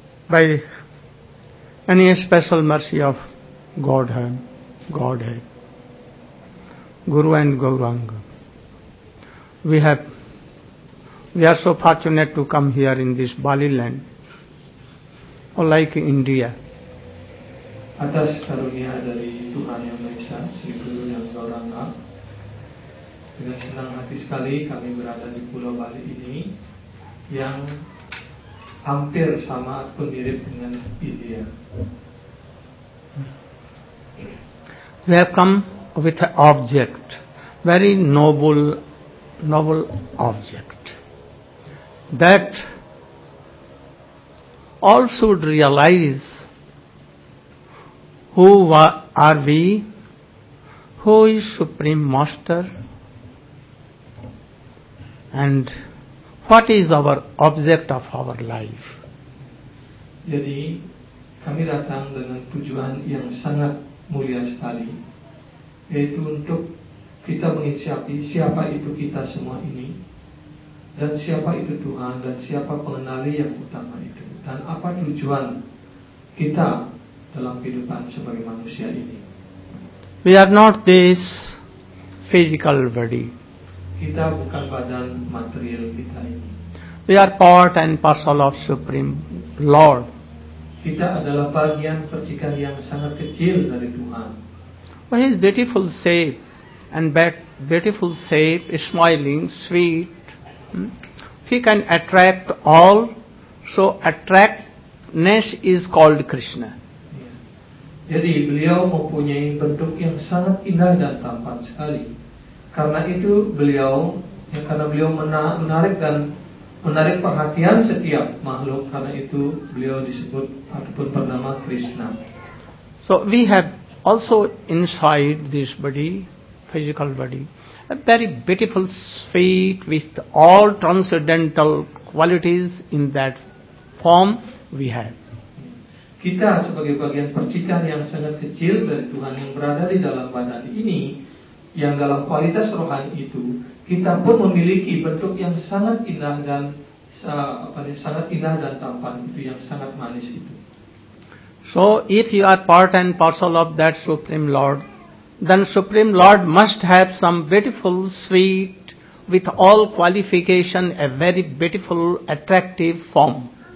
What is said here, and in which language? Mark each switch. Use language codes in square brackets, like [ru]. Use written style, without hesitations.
[en] By any special mercy of Godhead, Guru and Gauranga, we are so fortunate to come here in this Bali land, or like India. [id] Atas karunia dari Tuhan Yang Maha Esa, Sri Guru Yang Gauranga, dengan senang hati sekali kami berada di Pulau Bali ini yang hampir sama ataupun mirip dengan India. [en] We have come with an object, very noble object, that all should realize who are we, who is Supreme Master, and what is our object of our life. [id] Jadi kami datang dengan tujuan yang sangat mulia sekali, yaitu untuk kita mengisyapi siapa itu kita semua ini, dan siapa itu Tuhan, dan siapa pengenali yang utama itu, dan apa tujuan kita dalam kehidupan sebagai manusia ini. [en] We are not this physical body. [id] Kita bukan badan material kita ini. [en] We are part and parcel of Supreme Lord. [id] Kita adalah bagian percikan yang sangat kecil dari Tuhan. [en] Well, his beautiful shape and beautiful shape, smiling, sweet. He can attract all, so attractness is called Krishna. [id] Jadi beliau mempunyai bentuk yang sangat indah dan tampan sekali. Karena itu beliau, ya, karena beliau menarik dan menarik perhatian setiap makhluk, karena itu beliau disebut ataupun bernama Krishna. [en] So we have also inside this body, physical body, a very beautiful sphere with all transcendental qualities in that form we have. [id] Kita sebagai bagian percikan yang sangat kecil dari Tuhan yang berada di dalam badan ini, yang dalam kualitas rohani itu, kita pun memiliki bentuk yang sangat indah dan sangat indah dan tampan itu, yang sangat manis itu. [en] So if you are part and parcel of that Supreme Lord, then Supreme Lord must have some beautiful, sweet, with all qualification, a very beautiful, attractive form.